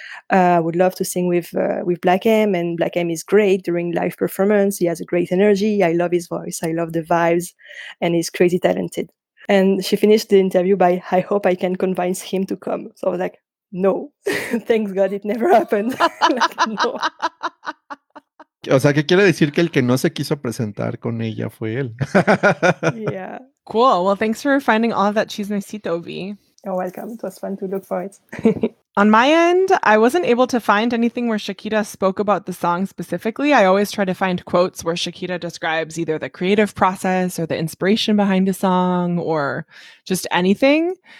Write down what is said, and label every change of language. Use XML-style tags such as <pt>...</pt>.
<en>I would love to sing with Black M, and Black M is great during live performance. He has a great energy. I love his voice. I love the vibes, and he's crazy talented. And she finished the interview by, I hope I can convince him to come. So I was like, no, thanks God it never happened. Like, no.</en> <es>O sea, ¿qué quiere decir que el que no se quiso presentar con ella fue él?</es> <en>Yeah. Cool. Well, thanks for finding all that chismecito, V. You're welcome. It was fun to look for it. On my end, I wasn't able to find anything where Shakira spoke about the song specifically. I always try to find quotes where Shakira describes either the creative process or the inspiration behind a song or just anything.</en>